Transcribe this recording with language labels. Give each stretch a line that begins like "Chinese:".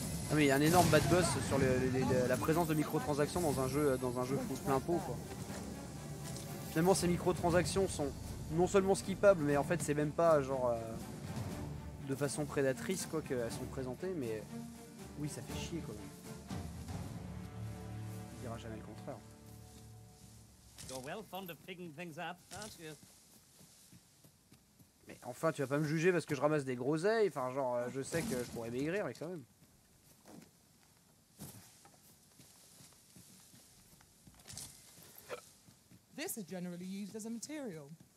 French: Ah mais il y a un énorme bad buzz sur la présence de microtransactions dans un jeu plein pot quoi. Finalement ces microtransactions sont non seulement skippables mais en fait c'est même pas genre de façon prédatrice quoi qu'elles sont présentées, mais oui ça fait chier quoi. On dira jamais le contraire.
English: You're well fond of picking things up, aren't you?
French: Mais enfin tu vas pas me juger parce que je ramasse des groseilles, enfin genre je sais que je pourrais maigrir mais quand même.
English: This is generally used as a material.